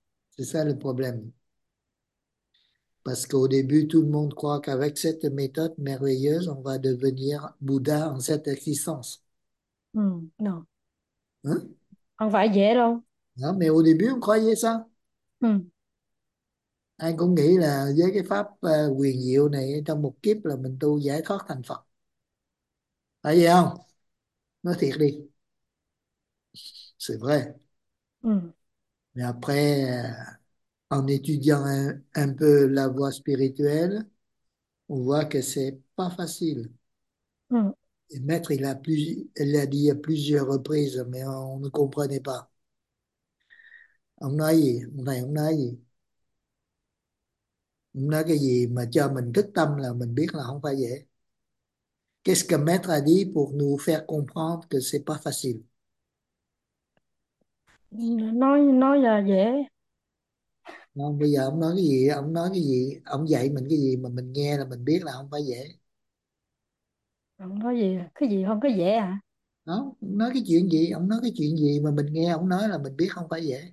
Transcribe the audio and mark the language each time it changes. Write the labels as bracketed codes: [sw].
[fr] C'est ça le problème. Parce qu'au début, tout le monde croit qu'avec cette méthode merveilleuse, on va devenir Bouddha en cette existence. Non. Hein? On va y aller. Non, mais au début, on croyait ça. [vi] Ai cũng nghĩ là với cái pháp huyền diệu này trong một kiếp là mình tu giải thoát thành Phật. Phải vậy không? Nói thiệt đi. [fr] C'est vrai. Mais après, en étudiant un peu la voie spirituelle, on voit que c'est pas facile. Et maître, il a dit à plusieurs reprises, mais on ne comprenait pas. [vi] Ông nói gì? Nói cái gì mà cho mình thức tâm là mình biết là không phải dễ. [fr] Qu'est-ce que maître a dit pour nous faire comprendre que c'est pas facile? [vi] Nói là dễ. Không, bây giờ ông nói cái gì, ông nói cái gì, ông dạy mình cái gì mà mình nghe là mình biết là không phải dễ. Không có gì, cái gì không có dễ hả? Đó, nói cái chuyện gì, ông nói cái chuyện gì mà mình nghe ông nói là mình biết không phải dễ.